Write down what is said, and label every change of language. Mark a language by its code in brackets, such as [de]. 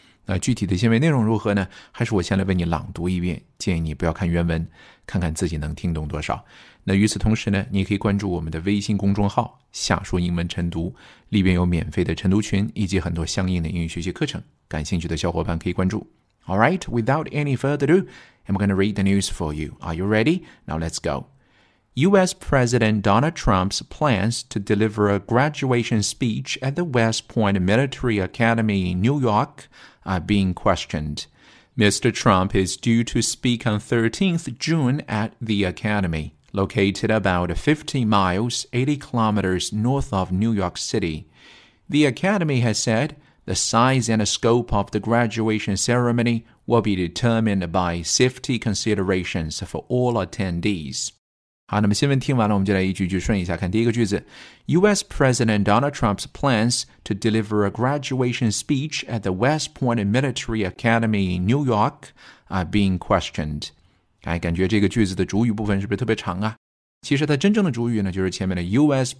[zh] 那具体的新闻内容如何呢？还是我先来为你朗读一遍，建议你不要看原文，看看自己能听懂多少。那与此同时呢，你可以关注我们的微信公众号“夏说英文晨读”，里边有免费的晨读群以及很多相应的英语学习课程，感兴趣的小伙伴可以关注。 [en] All right, without any further ado, I'm going to read the news for you. Are you ready? Now let's go. U.S. President Donald Trump's plans to deliver a graduation speech at the West Point Military Academy in New York. Are being questioned. Mr. Trump is due to speak on 13th June at the Academy, located about 50 miles, 80 kilometers north of New York City. The Academy has said the size and scope of the graduation ceremony will be determined by safety considerations for all attendees. [zh] 好，那么新闻听完了，我们就来一句句顺一下看第一个句子。 [en] U.S. President Donald Trump's plans to deliver a graduation speech at the West Point Military Academy in New York are being questioned. [zh] 哎，感觉这个句子的主语部分是不是特别长啊？其实它真正的主语呢，就是前面的 U.S.